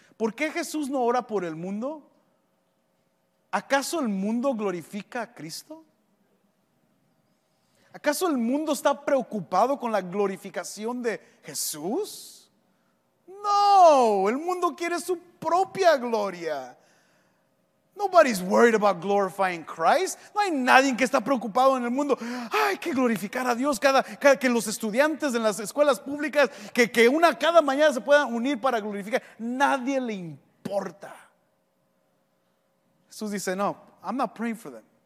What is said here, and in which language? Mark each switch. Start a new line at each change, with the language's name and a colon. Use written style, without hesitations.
Spanish: ¿Por qué Jesús no ora por el mundo? ¿Acaso el mundo glorifica a Cristo? ¿Acaso el mundo está preocupado con la glorificación de Jesús? No, el mundo quiere su propia gloria.
English: Nobody's worried about glorifying Christ.
Spanish: No hay nadie que está preocupado en el mundo. Hay que glorificar a Dios cada que los estudiantes en las escuelas públicas que una cada mañana se puedan unir para glorificar. Nadie le importa. Jesús dice, no,
English: I'm not praying for them.